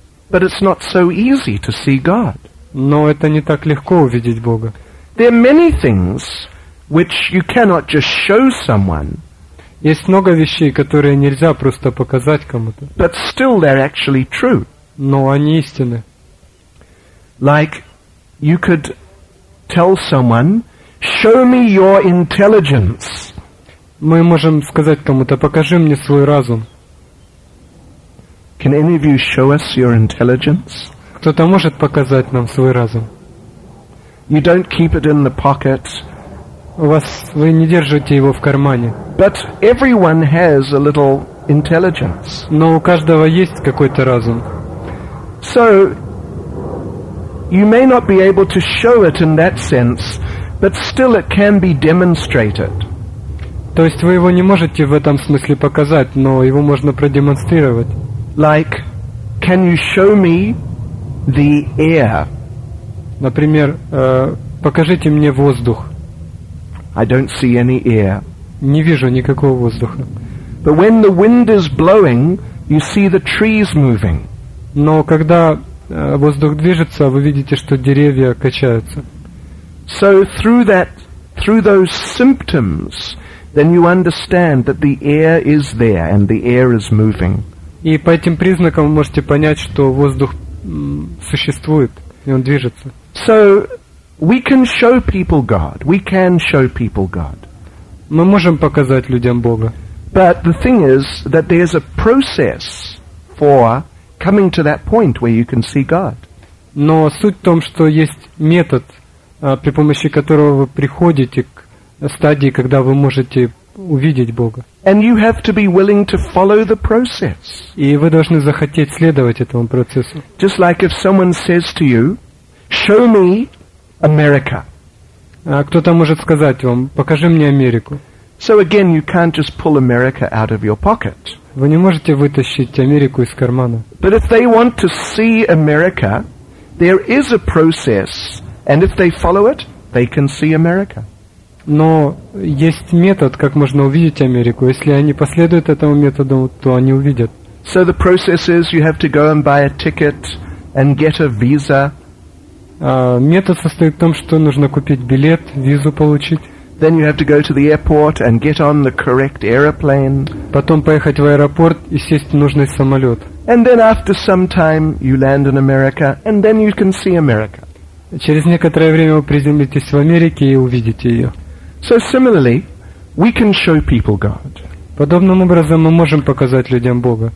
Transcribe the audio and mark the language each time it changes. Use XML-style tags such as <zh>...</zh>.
<en>But it's not so easy to see God.</en> <ru>Но это не так легко увидеть Бога.</ru> <en>There are many things which you cannot just show someone.</en> <ru>Есть много вещей, которые нельзя просто показать кому-то.</ru> <en>But still they're actually true.</en> <ru>Но они истины.</ru> <en>Like you could tell someone, show me your intelligence.</en> <ru>Мы можем сказать кому-то, покажи мне свой разум.</ru> <en>Can any of you show us your intelligence?</en> <ru>Кто-то может показать нам свой разум?</ru> <en>You don't keep it in the pocket.</en> <ru>Вы не держите его в кармане.</ru> <en>But everyone has a little intelligence.</en> <ru>Но у каждого есть какой-то разум.</ru> <en>So you may not be able to show it in that sense. But still it can be demonstrated.</en> <ru>То есть вы его не можете в этом смысле показать, но его можно продемонстрировать.</ru> <en>Like, can you show me the air?</en> <ru>Например, покажите мне воздух.</ru> <en>I don't see any air.</en> <ru>Не вижу никакого воздуха.</ru> <en>But when the wind is blowing, you see the trees moving.</en> <ru>Но когда воздух движется, вы видите, что деревья качаются.</ru> <en>So through that, through those symptoms, then you understand that the air is there and the air is moving.</en> <ru>И по этим признакам вы можете понять, что воздух существует и он движется.</ru> <en>So we can show people God. We can show people God.</en> <ru>Мы можем показать людям Бога.</ru> <en>But the thing is that there's a process for coming to that point where you can see God.</en> <ru>Но суть в том, что есть метод, при помощи которого вы приходите к стадии, когда вы можете увидеть Бога.</ru> <en>And you have to be willing to follow the process.</en> <ru>И вы должны захотеть следовать этому процессу.</ru> <en>Just like if someone says to you, "Show me America."</en> <ru>Кто-то может сказать вам, покажи мне Америку.</ru> <en>So again, you can't just pull America out of your pocket.</en> <ru>Вы не можете вытащить Америку из кармана.</ru> <en>But if they want to see America, there is a process, and if they follow it, they can see America.</en> <ru>Но есть метод, как можно увидеть Америку. Если они последуют этому методу, то они увидят.</ru> <en>So the process is you have to go and buy a ticket and get a visa.</en> <ru>Метод состоит в том, что нужно купить билет, визу получить.</ru> <en>Then you have to go to the airport and get on the correct aeroplane.</en> <ru>Потом поехать в аэропорт и сесть в нужный самолет.</ru> <en>And then after some time you land in America and then you can see America.</en> <ru>Через некоторое время вы приземлитесь в Америке и увидите ее.</ru> <en>So similarly, we can show people God.</en> <ru>Подобным образом мы можем показать людям Бога.</ru>